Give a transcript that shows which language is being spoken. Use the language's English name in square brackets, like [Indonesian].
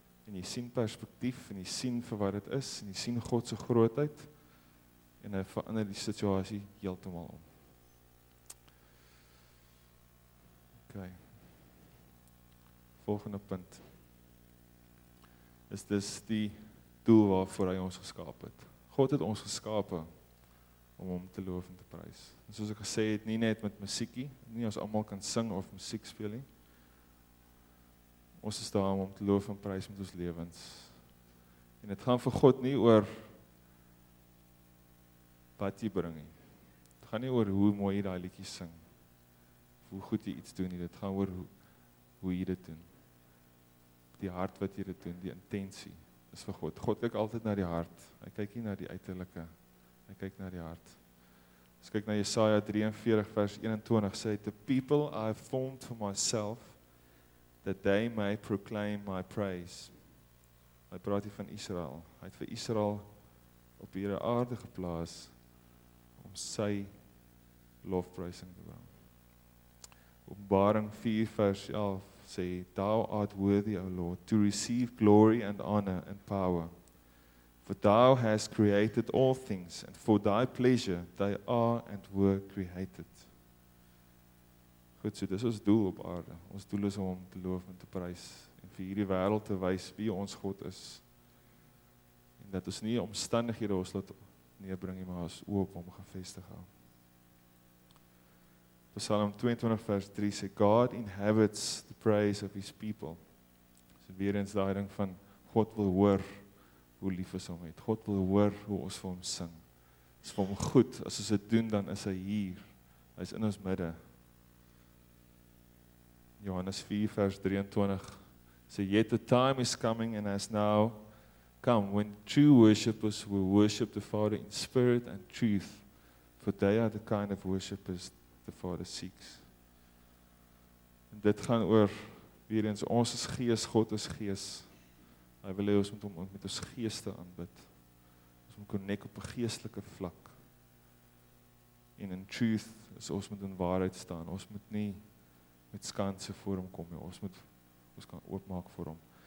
[Afrikaans] En jy sien perspektief en jy sien vir wat dit is en jy sien God se grootheid en hy verander die situasie heeltemal om. OK. Volgende punt. Is dis die doel waarvoor hy ons geskaap het. God het ons geskape om hom te loof en te prys. En soos ek gesê het, nie net met musiekie, nie ons almal kan sing of musiek speel nie. Ons is daar om hom te loof en prys met ons lewens. En dit gaan vir God nie oor wat jy bring nie. Dit gaan nie oor hoe mooi jy daai liedjie sing, hoe goed jy iets doen nie. Dit gaan oor hoe jy dit doen. Die hart wat jy dit doen, die intentie is vir God. God kyk altyd na die hart. Hy kyk nie na die uiterlike. Hy kyk na die hart. As kyk na Jesaja 43 vers 21, sê hy, [English] the people I have formed for myself, that they may proclaim my praise. [Afrikaans] Hy praat hier van Israel. Hy het vir Israel op hierdie aarde geplaas, om sy lofprysing te bring. Openbaring 4 vers 11, sê, [English] thou art worthy, O Lord, to receive glory and honor and power. For thou hast created all things, and for thy pleasure they are and were created. [Afrikaans] Goed, so dis ons doel op aarde. Ons doel is om te loof en te prys en vir hierdie wêreld te wys wie ons God is. En dat ons nie omstandighede ons laat neerbring nie, maar ons oop om gevestig hou. Psalm 22 vers 3 sê, [English] God inhabits the praise of his people. [Afrikaans] So weer eens daai ding van, God wil hoor hoe lief is hom het. God wil hoor hoe ons vir hom sing. Is vir hom goed, as ons dit doen, dan is hy hier. Hy is in ons midde. Johannes 4 vers 23 sê, [English] yet the time is coming and has now come when true worshippers will worship the Father in spirit and truth, for they are the kind of worshippers the Father seeks. [Afrikaans] En dit gaan oor, weer eens, ons is gees, God is gees. Hy wil hê ons moet hom met ons geeste aanbid. Ons moet connect op 'n geestelike vlak. En in truth, is ons moet in waarheid staan. Ons moet nie met skanse voor hom kom nie. Ons moet, ons kan oopmaak voor hom.